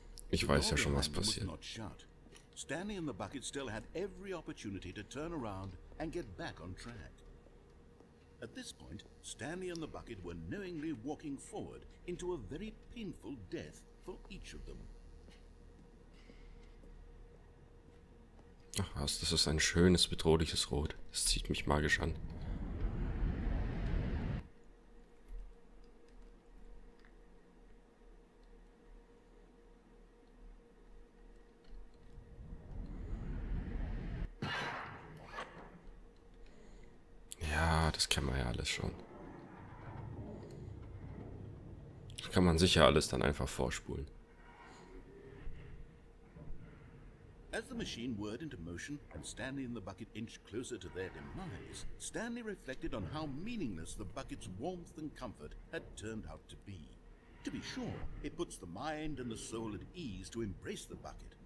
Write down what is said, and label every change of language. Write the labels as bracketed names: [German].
[German] Ich weiß ja schon, was passiert. [English] Stanley and the bucket still had every opportunity to turn around and get back on track. At this point, Stanley and the bucket were knowingly walking forward into a very painful death for each of them. [German] Ach was, das ist ein schönes, bedrohliches Rot. Es zieht mich magisch an. Das kennen wir ja alles schon. Das kann man sicher alles dann einfach vorspulen. [English] As the machine whirred into motion and Stanley and the bucket inched closer to their demise, Stanley reflected on how meaningless the bucket's warmth and comfort had turned out to be. To be sure, it puts the mind and the soul at ease to embrace the bucket.